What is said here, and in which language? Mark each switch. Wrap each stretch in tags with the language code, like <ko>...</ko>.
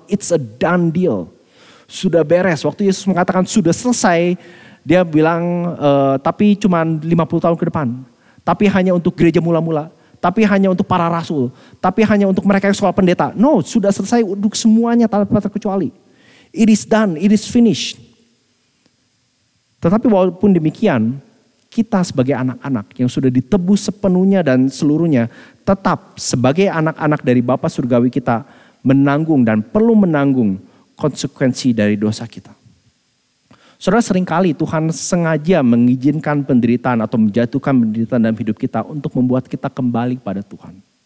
<en>It's a done deal.</en> <id>Sudah beres. Waktu Yesus mengatakan sudah selesai, dia bilang, tapi cuma 50 tahun ke depan. Tapi hanya untuk gereja mula-mula. Tapi hanya untuk para rasul. Tapi hanya untuk mereka yang sekolah pendeta. No, sudah selesai untuk semuanya tanpa terkecuali.</id> <en>It is done, it is finished.</en> <id>Tetapi walaupun demikian, kita sebagai anak-anak yang sudah ditebus sepenuhnya dan seluruhnya, tetap sebagai anak-anak dari Bapa Surgawi kita menanggung dan perlu menanggung konsekuensi dari dosa kita. Saudara, seringkali Tuhan sengaja mengizinkan penderitaan atau menjatuhkan penderitaan dalam hidup kita untuk membuat kita kembali pada Tuhan.</id>